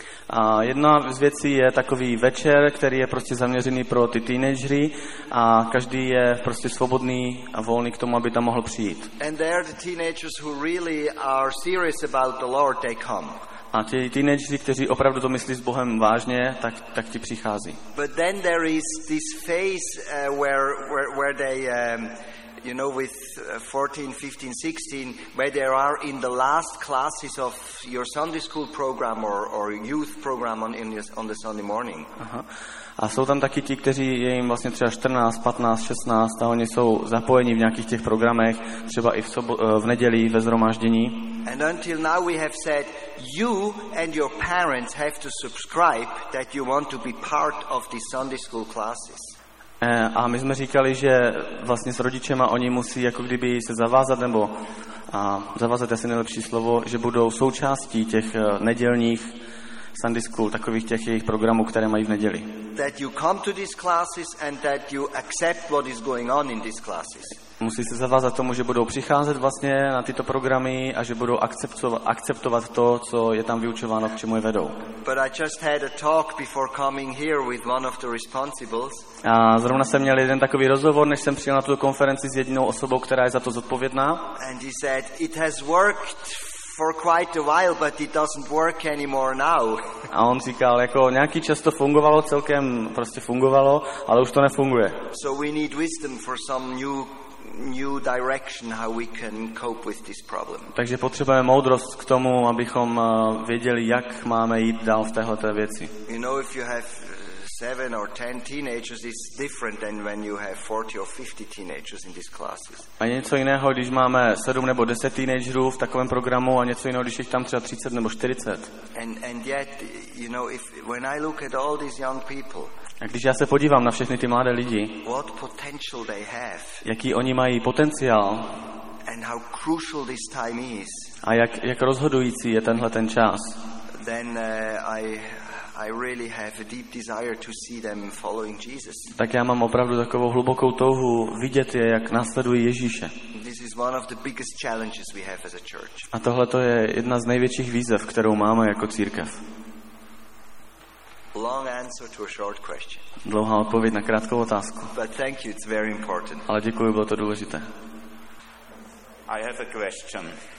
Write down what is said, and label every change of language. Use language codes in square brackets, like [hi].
[cs] A jedna z věcí je takový večer, který je prostě zaměřený pro ty teenagery a každý je prostě svobodný a volný k tomu, aby tam mohl přijít. [en] And there are the teenagers who really are serious about the Lord, they come. [cs] A ti teenageři, kteří opravdu to myslí s Bohem vážně, tak ti přichází. [en] But then there is this phase where they you know, with 14, 15, 16, where they are in the last classes of your Sunday school program or youth program on the Sunday morning. [cs] A jsou tam taky ti, kteří je jim vlastně třeba 14, 15, 16 a oni jsou zapojeni v nějakých těch programech, třeba i v neděli ve zhromáždění. [en] And until now we have said you and your parents have to subscribe that you want to be part of the Sunday school classes. [cs] A my jsme říkali, že vlastně s rodičema oni musí jako kdyby se zavázat nebo a zavázat je asi nejlepší slovo, že budou součástí těch nedělních Sunday school, takových těch jejich programů, které mají v neděli. [en] That you come to these classes and that you accept what is going on in these classes. [cs] Musí se zavázat tomu, že budou přicházet vlastně na tyto programy a že budou akceptovat to, co je tam vyučováno, k čemu je vedou. [en] But I just had a talk before coming here with one of the responsibles. [cs] A zrovna jsem měl jeden takový rozhovor, než jsem přijel na tuto konferenci s jedinou osobou, která je za to zodpovědná. [en] And he said it has worked for quite a while, but it doesn't work anymore now. [cs] A on říkal, jako nějaký čas to fungovalo, celkem prostě fungovalo, ale už to nefunguje. [en] So we need wisdom for some new direction how we can cope with this problem. [cs] Takže potřebujeme moudrost k tomu, abychom věděli, jak máme jít dál v téhleté věci. [en] You know, if you have 7 or 10 teenagers is different than when you have 40 or 50 teenagers in these classes. [cs] A něco jiného, když máme 7 nebo 10 teenagerů v takovém programu a něco jiného, když jich tam třeba 30 nebo 40. [en] And yet, you know, if when I look at all these young people, [cs] a když já se podívám na všechny ty mladé lidi, [en] what potential they have, [cs] jaký oni mají potenciál, [en] and how crucial this time is, [cs] a jak rozhodující je tenhle ten čas, [en] then I really have a deep desire to see them following Jesus. [cs] Tak já mám opravdu takovou hlubokou touhu vidět je, jak následují Ježíše. [en] This is one of the biggest challenges we have as a church. [cs] A tohle to je jedna z největších výzev, kterou máme jako církev. [en] Long answer to a short question. [cs] Dlouhá odpověď na krátkou otázku. [en] But thank you, it's very important. [cs] Ale děkuji, bylo to důležité. [en] I have a question.